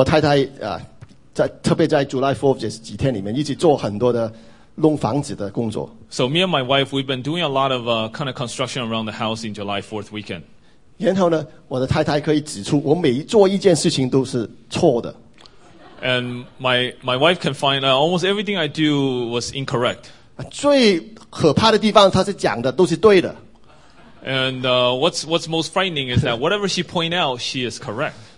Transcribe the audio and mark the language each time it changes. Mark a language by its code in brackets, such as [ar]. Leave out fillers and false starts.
[zh] 我最近呢，一直在，因为我跟我太太，在特别在 July 4th 这几天里面，一直做很多的弄房子的工作。 [en] So me and my wife, we've been doing a lot of kind of construction around the house in July 4th weekend. [zh] 然后呢，我的太太可以指出我每做一件事情都是错的。 [en] And my wife can find out almost everything I do was incorrect. [zh] 最可怕的地方，她是讲的都是对的。 [en] And what's most frightening is that whatever she point out, she is correct.